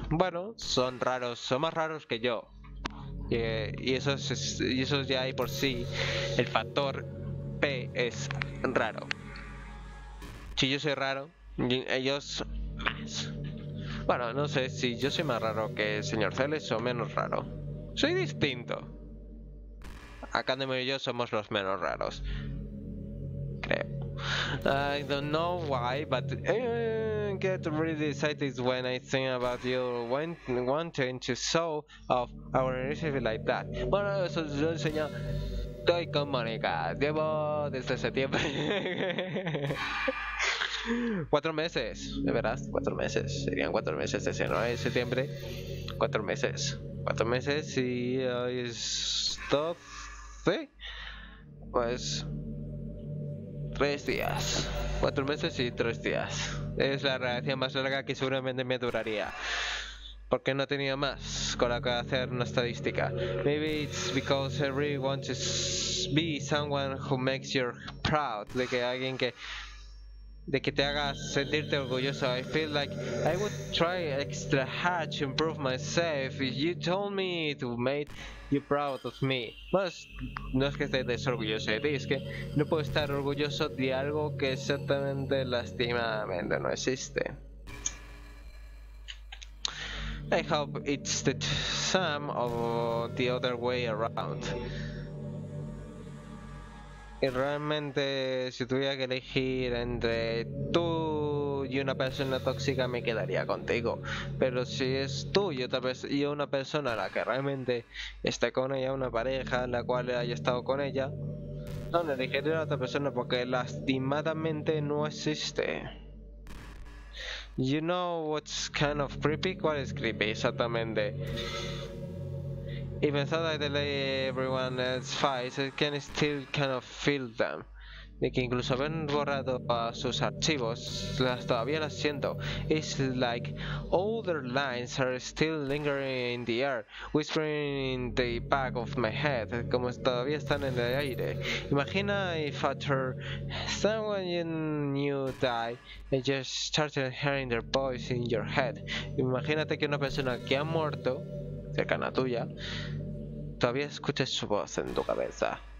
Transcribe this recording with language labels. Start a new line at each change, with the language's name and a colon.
Spanish: Bueno, son raros, son más raros que yo. Y eso es ya ahí por sí, el factor P es raro. Si yo soy raro, ellos más. Bueno, no sé si yo soy más raro que el señor Celes o menos raro. Soy distinto. Acá de mí y yo somos los menos raros. Creo.
English: I don't know why, but get really excited when I think about you wanting to show off our relationship like that.
Spanish: Bueno, eso yo enseño. Estoy con Mónica. Llevo desde septiembre. 4 meses, de verdad, 4 meses. Serían 4 meses desde 9 de septiembre. 4 meses. 4 meses y hoy es 12. ¿Sí? Pues 3 días, 4 meses y 3 días. Es la relación más larga que seguramente me duraría, porque no tenía más con la que hacer una estadística.
English: Maybe it's because everyone wants to be someone who makes you proud,
Spanish: de que alguien que te haga sentirte orgulloso.
English: I feel like I would try extra hard to improve myself if you told me to make you proud of me.
Spanish: Pues, no es que esté desorgulloso de ti, es que no puedo estar orgulloso de algo que exactamente, lastimadamente, no existe.
English: I hope it's the same or the other way around.
Spanish: Y realmente, si tuviera que elegir entre tú y una persona tóxica, me quedaría contigo. Pero si es tú y otra y una persona a la que realmente esté con ella, una pareja en la cual haya estado con ella, no, le elegiría a otra persona porque lastimadamente no existe.
English: You know what's kind of creepy?
Spanish: ¿Cuál es creepy exactamente?
English: Even though I delay everyone else's files, I can still kind of feel them.
Spanish: De que incluso habían borrado sus archivos, todavía las siento.
English: It's like all their lines are still lingering in the air, whispering in the back of my head,
Spanish: como todavía están en el aire.
English: Imagina if after someone you knew died, and just started hearing their voice in your head.
Spanish: Imagínate que una persona que ha muerto, cercana tuya, todavía escuches su voz en tu cabeza.